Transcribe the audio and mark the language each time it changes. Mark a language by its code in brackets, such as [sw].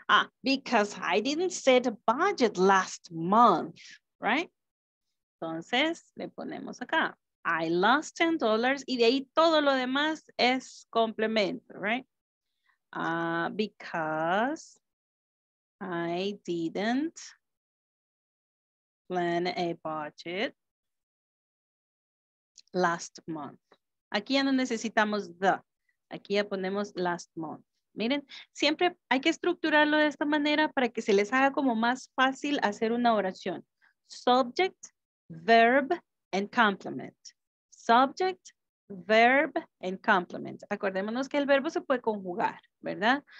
[en] Ah, because I didn't set a budget last month, right? [es] Entonces, le ponemos acá. [en] I lost $10 [es] y de ahí todo lo demás es complemento, right? [en] Because I didn't plan a budget last month. [es] Aquí ya no necesitamos the. Aquí ya ponemos last month. Miren, siempre hay que estructurarlo de esta manera para que se les haga como más fácil hacer una oración. [en] Subject, verb, and complement. Subject, verb, and complement. [es] Acordémonos que el verbo se puede conjugar, ¿verdad?